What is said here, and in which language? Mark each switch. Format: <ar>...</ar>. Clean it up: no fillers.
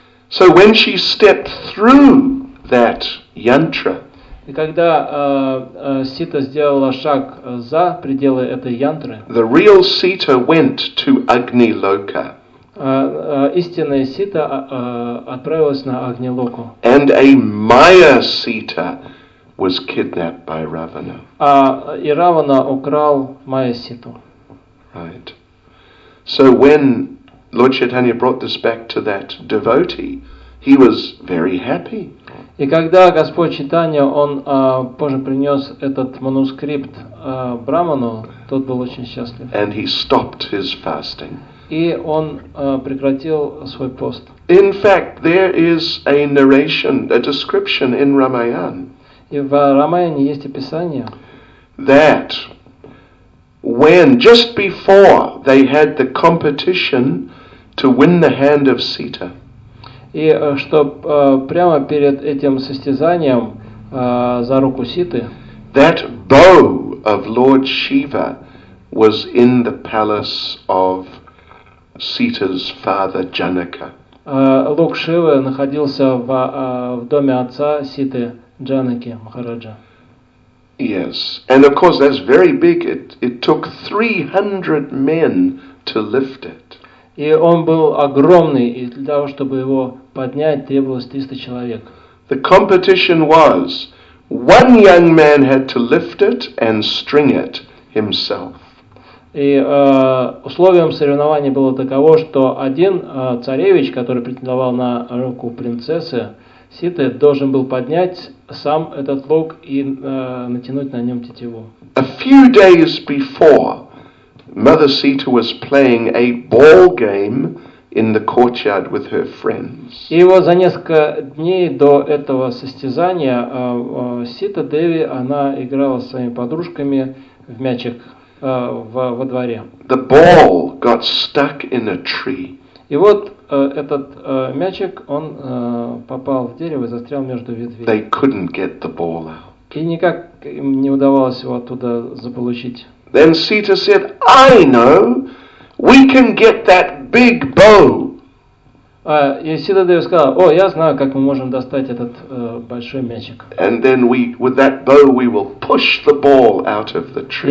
<en>So when she stepped through that yantra,</en> <ru>и когда Сита сделала шаг за пределы этой янтры,</ru> <en>the real Sita went to Agni Loka.</en> <ru>Истинная Сита отправилась на Агни Локу.</ru> <en>And a Maya Sita was kidnapped by Ravana.</en> <ru>И Равана украл Maya Ситу.</ru> <en>Right. So when Lord Chaitanya brought this back to that devotee, he was very happy.</en> <ru>И когда Господь Читания, он позже принес этот манускрипт Браману, тот был очень счастлив.</ru> <en>And he stopped his fasting.</en> <ru>И он прекратил свой пост.</ru> <en>In fact, there is a narration, a description in Ramayana.</en> <ru>И в Рамаяне есть описание.</ru> <en>That when just before they had the competition to win the hand of Sita.</en> <ru>И что прямо перед этим состязанием за руку Ситы.</ru> <en>That bow of Lord Shiva was in the palace of Sita's father Janaka.</en> <ru>Лук Шивы находился в доме отца Ситы Джанаки Махараджа.</ru> <en>Yes, and of course that's very big. It took 300 men to lift it.</en> <ru>И он был огромный, и для того, чтобы его поднять, требовалось 300 человек.</ru> <en>The competition was one young man had to lift it and string it himself.</en> <ru>И условием соревнования было таково, что один царевич, который претендовал на руку принцессы Ситы, должен был поднять сам этот лук и натянуть на нем тетиву.</ru> <en>A few days before, Mother Sita was playing a ball game in the courtyard with her friends.</en> <ru>И вот за несколько дней до этого состязания Сита Деви, она играла с своими подружками в мячик во дворе.</ru> <en>The ball got stuck in a tree.</en> <ru>И вот этот мячик, он попал в дерево и застрял между ветвей.</ru> <en>They couldn't get the ball out.</en> <ru>И никак им не удавалось его оттуда заполучить.</ru> <en>Then Sita said, "I know, we can get that big bow."</en> <ru>И Сита Деви сказала, "О, я знаю, как мы можем достать этот большой мячик."</ru> <en>And then we, with that bow, we will push the ball out of the tree.</en>